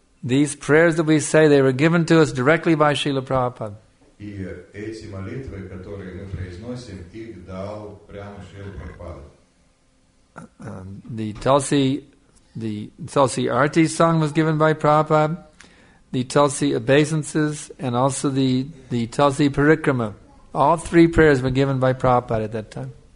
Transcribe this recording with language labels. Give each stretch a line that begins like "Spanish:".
English: These prayers that we say, they were given to us directly by Srila Prabhupada.
Russian: И эти молитвы, которые мы произносим, их дал прямо Шрила Прабхупада.
English: The Tulsi Arati song was given by Prabhupada, the Tulsi obeisances, and also the Tulsi Parikrama. All three prayers were given by Prabhupada at that time.